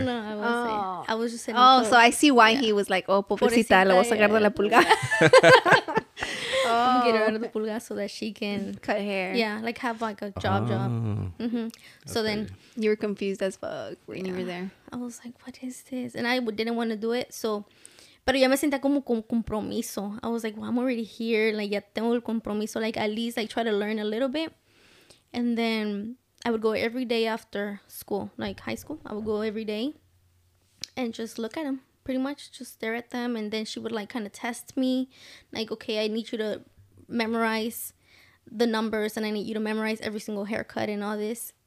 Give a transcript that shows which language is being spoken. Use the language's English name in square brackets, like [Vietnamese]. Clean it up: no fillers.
[English] No, no, no. I was just selling clothes. Oh, so I see why he was like, oh, [Spanish] pobrecita, la voy a sacar de la pulga. [English] Oh. Get her out of the pulga so that she can cut hair. Yeah, like have like a job. Mm-hmm. Okay. So then you were confused as fuck when you were there. I was like, what is this? And I didn't want to do it. [Spanish] So, pero ya me sentía como con compromiso. [English] I was like, well, I'm already here. Like, [Spanish] ya tengo el compromiso. [English] Like, at least I try to learn a little bit. And then I would go every day after school, like high school. I would go every day and just look at them. Pretty much just stare at them, and then she would like kind of test me, like, okay, I need you to memorize the numbers and I need you to memorize every single haircut and all this.